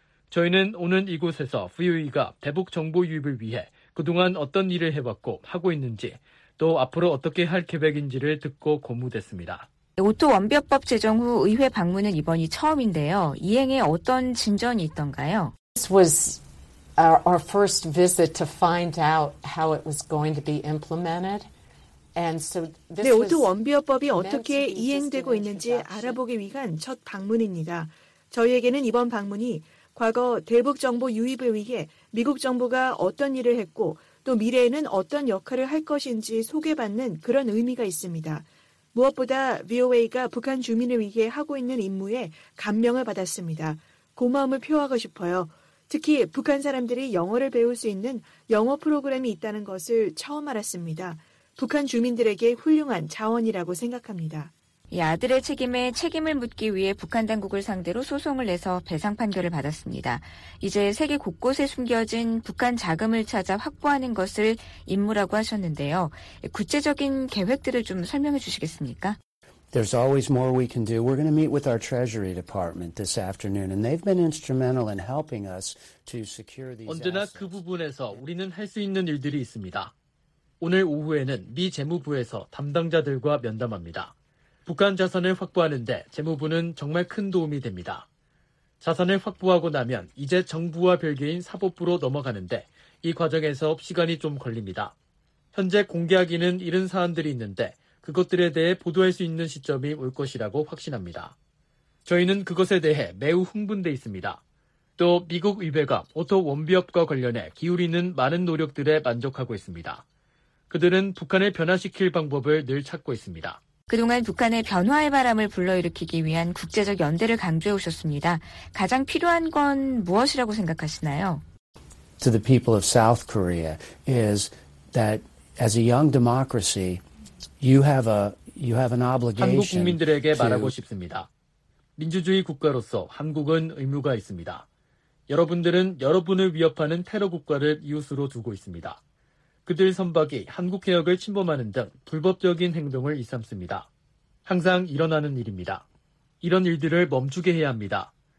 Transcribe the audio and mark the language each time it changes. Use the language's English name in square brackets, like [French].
[Korean] 저희는 오는 이곳에서 VOE가 대북 정보 유입을 위해 그동안 어떤 일을 해왔고 하고 있는지 또 앞으로 어떻게 할 계획인지를 듣고 고무됐습니다. 오토 원비어법 제정 후 의회 방문은 이번이 처음인데요. 이행에 어떤 진전이 있던가요? [English] This was our first visit to find out how it was going to be implemented. [Korean] 네, 오토 원비어법이 어떻게 이행되고 있는지 알아보기 위한 첫 방문입니다. 저희에게는 이번 방문이 과거 대북 정보 유입을 위해 미국 정부가 어떤 일을 했고 또 미래에는 어떤 역할을 할 것인지 소개받는 그런 의미가 있습니다. 무엇보다 VOA가 북한 주민을 위해 하고 있는 임무에 감명을 받았습니다. 고마움을 표하고 싶어요. 특히 북한 사람들이 영어를 배울 수 있는 영어 프로그램이 있다는 것을 처음 알았습니다. 북한 주민들에게 훌륭한 자원이라고 생각합니다. 이 아들의 책임에 책임을 묻기 위해 북한 당국을 상대로 소송을 내서 배상 판결을 받았습니다. 이제 세계 곳곳에 숨겨진 북한 자금을 찾아 확보하는 것을 임무라고 하셨는데요. 구체적인 계획들을 좀 설명해 주시겠습니까? [English] There's always more we can do. We're going to meet with our Treasury Department this afternoon, and they've been instrumental in helping us to secure these. [Korean] 언제나 그 부분에서 우리는 할 수 있는 일들이 있습니다. 오늘 오후에는 미 재무부에서 담당자들과 면담합니다. 북한 자산을 확보하는데 재무부는 정말 큰 도움이 됩니다. 자산을 확보하고 나면 이제 정부와 별개인 사법부로 넘어가는데 이 과정에서 시간이 좀 걸립니다. 현재 공개하기는 이른 사안들이 있는데 그것들에 대해 보도할 수 있는 시점이 올 것이라고 확신합니다. 저희는 그것에 대해 매우 흥분돼 있습니다. 또 미국 의회감 오토 원비업과 관련해 기울이는 많은 노력들에 만족하고 있습니다. 그들은 북한을 변화시킬 방법을 늘 찾고 있습니다. 그동안 북한의 변화의 바람을 불러일으키기 위한 국제적 연대를 강조해 오셨습니다. 가장 필요한 건 무엇이라고 생각하시나요? [English] To the people of South Korea is that as a young democracy, you have an obligation. [Korean] 한국 국민들에게 말하고 싶습니다. 민주주의 국가로서 한국은 의무가 있습니다. 여러분들은 여러분을 위협하는 테러 국가를 이웃으로 두고 있습니다. 그들 선박이 한국 해역을 침범하는 등 불법적인 행동을 일삼습니다. 항상 일어나는 일입니다. 이런 일들을 멈추게 해야 합니다.